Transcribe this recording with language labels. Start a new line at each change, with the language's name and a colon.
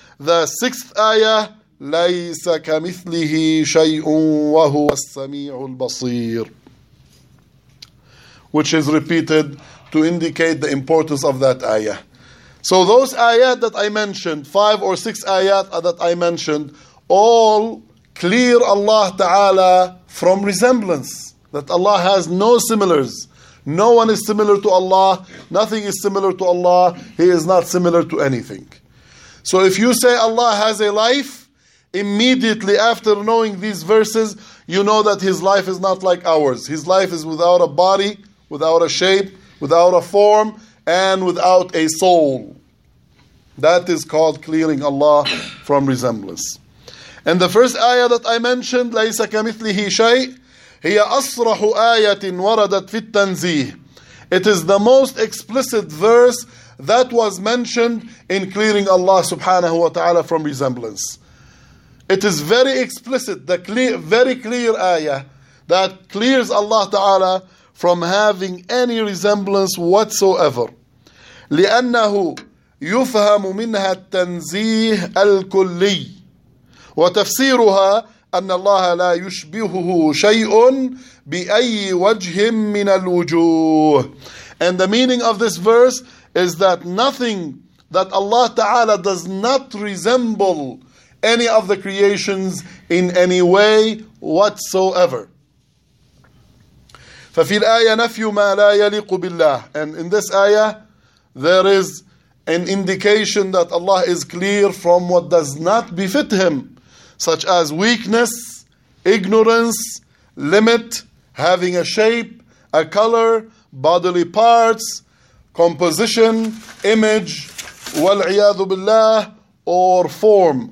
English: The sixth ayah,
Arabic: لَيْسَ كَمِثْلِهِ شَيْءٌ وَهُوَ السَّمِيعُ الْبَصِيرُ.
English: Which is repeated to indicate the importance of that ayah. So those ayat that I mentioned, five or six ayat that I mentioned, all clear Allah Ta'ala from resemblance. That Allah has no similars. No one is similar to Allah. Nothing is similar to Allah. He is not similar to anything. So if you say Allah has a life, immediately after knowing these verses, you know that His life is not like ours. His life is without a body, without a shape, without a form, and without a soul. That is called clearing Allah from resemblance. And the first ayah that I mentioned,
Arabic: لَيْسَ كَمِثْلِهِ شَيْءٍ, هي أصرح آية وردت في التنزيه.
English: It is the most explicit verse that was mentioned in clearing Allah subhanahu wa ta'ala from resemblance. It is very explicit, the very clear ayah that clears Allah ta'ala from having any resemblance whatsoever.
Arabic: لأنه يفهم منها التنزيه الكلي وتفسيرها أن الله لا يشبهه شيء بأي وجه من الوجوه.
English: And the meaning of this verse is that nothing that Allah Ta'ala does not resemble any of the creations in any way whatsoever.
Arabic: ففي الآية نفي ما لا يليق بالله.
English: And in this ayah, there is an indication that Allah is clear from what does not befit him, such as weakness, ignorance, limit, having a shape, a color, bodily parts, composition, image, wal'iyadu billah, or form.